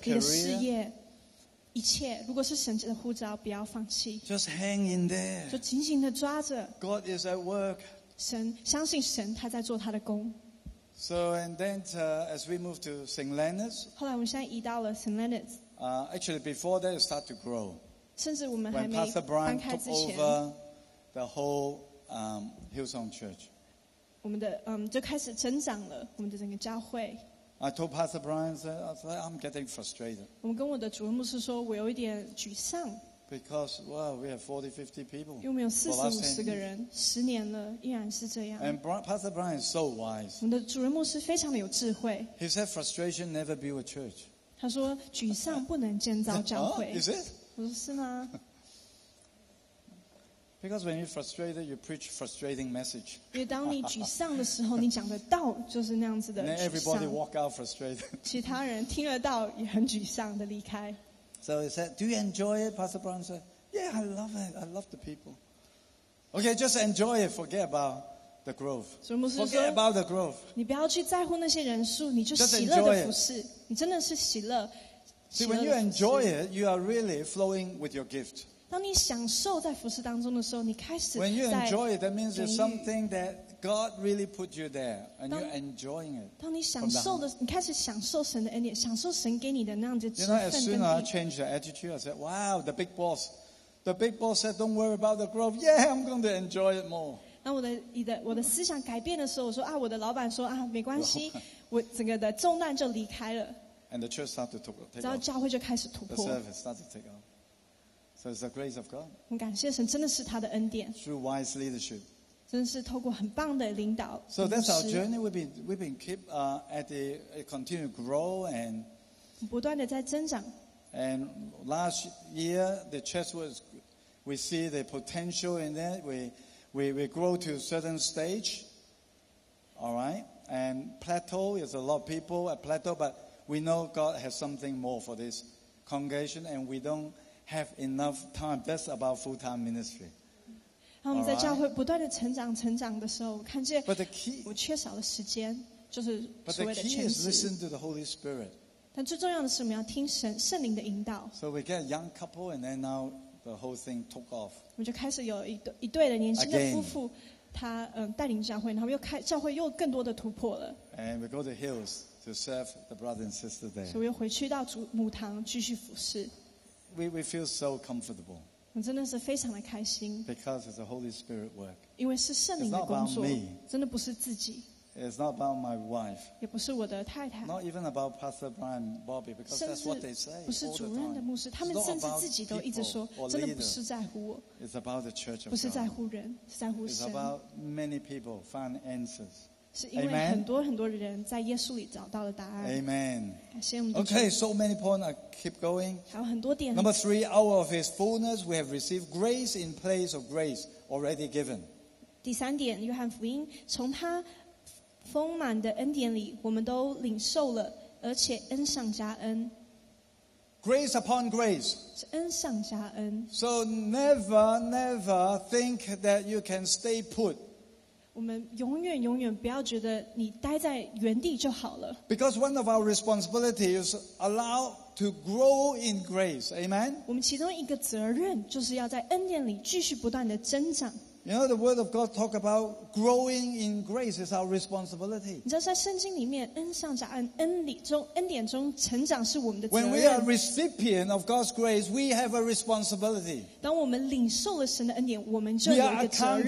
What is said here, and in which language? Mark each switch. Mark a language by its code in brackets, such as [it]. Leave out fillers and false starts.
[zh] 你的事业一切，如果是神的呼召，不要放弃。 [en] Just hang in there. [zh] 就紧紧的抓着。 [en] God is at work. [zh] 神相信神，他在做他的工。 [en] So and then, as we move to St. Leonard's. [zh] 后来我们现在移到了 St. [en] Leonard's. Actually, before that, it started to grow. [zh] 甚至我们还没搬开之前。 [en] When Pastor Brian took over the whole Hillsong Church. [zh] 我们的就开始增长了我们的整个教会。 [en] I told Pastor Brian, I'm getting frustrated. [zh] 我们跟我的主任牧师说，我有一点沮丧。 [en] Because well, we have 40, 50 people. [zh] 因为我们有40-50个人，十年了，依然是这样。 [en] And Pastor Brian is so wise. [zh] 我们的主任牧师非常的有智慧。 [en] He said frustration never built a church. [zh] 他说沮丧不能建造教会。 [en] Oh, is it? [zh] 我说是吗？ [en] Because when you're frustrated, you preach frustrating message. [zh] 因为当你沮丧的时候，你讲的道就是那样子的沮丧。 [en] Then everybody walk out frustrated. [zh] 其他人听了道也很沮丧的离开。 [en] So he said, "Do you enjoy it?" Pastor Brown said, "Yeah, I love it. I love the people." Okay, just enjoy it. Forget about the growth. Forget about the growth. [zh] 你不要去在乎那些人数，你就喜乐的服事。你真的是喜乐。 [en] See, when you enjoy it, you are really flowing with your gift. [zh] 当你享受在服事当中的时候，你开始在。 [en] When you enjoy it, that means it's something that God really put you there, and you're enjoying it. [zh] 当你享受的，你开始享受神的恩典，享受神给你的那样子。 [en] You know, as soon as I changed the attitude, I said, "Wow, the big boss." The big boss said, "Don't worry about the growth. Yeah, I'm going to enjoy it more." [zh] 当我的思想改变的时候，我说啊，我的老板说啊，没关系，我整个的重担就离开了。 [en] And the church started to take off. [zh] 然后教会就开始突破。 [en] The service started to take off. So it's the grace of God. [zh] 很感谢神，真的是他的恩典。 [en] Through wise leadership. [zh] 真的是透过很棒的领导。 [en] So that's our journey. We've been keep at the continue to grow and [zh] 不断的在增长。 [en] And last year the church was, we see the potential in that. We grow to a certain stage. All right. And plateau is a lot of people at plateau, but we know God has something more for this congregation, and we don't have enough time. That's about full-time ministry. [zh] 然后我们在教会不断的成长的时候，我看见我缺少了时间，就是所谓的全职。 [en] But the key is listen to the Holy Spirit. [zh] 但最重要的是我们要听神圣灵的引导。 [en] So we get a young couple, and then now the whole thing took off. [zh] 我们就开始有一对的年轻的夫妇，他带领教会，然后又开教会又更多的突破了。 [en] And we go to hills. To serve the brother and sister there. [zh] 所以又回去到主母堂继续服侍。 [en] We feel so comfortable. [zh] 我真的是非常的开心。 [en] Because it's a Holy Spirit work. [zh] 因为是圣灵的工作。 [en] It's not about me. [zh] 真的不是自己。 [en] It's not about my wife. [zh] 也不是我的太太。 [en] Not even about Pastor Brian Bobby, because that's what they say all the time. [zh] 不是主任的牧师，他们甚至自己都一直说，真的不是在乎我。 [en] It's about the church of God. [zh] 不是在乎人，是在乎神。 [en] It's about many people find answers. [zh] 是因为很多很多人在耶稣里找到了答案。 [en] Amen. [zh] 感谢我们的。 [en] Okay, so many points. I keep going. [zh] 还有很多点。 [en] Number three, out of His fullness, we have received grace in place of grace already given. [zh] 第三点，约翰福音，从他丰满的恩典里，我们都领受了，而且恩上加恩。 [en] Grace upon grace. [zh] 是恩上加恩。 [en] So never think that you can stay put. [zh] 我们永远永远不要觉得你待在原地就好了。 [en] Because one of our responsibilities is allow to grow in grace, amen. [zh] 我们其中一个责任就是要在恩典里继续不断的增长。 [en] You know the word of God talk about growing in grace is our responsibility. [zh] 你知道在圣经里面恩上加恩，恩里中恩典中成长是我们的责任。 [en] When we are recipient of God's grace, we have a responsibility. [zh] 当我们领受了神的恩典，我们就有一个责任。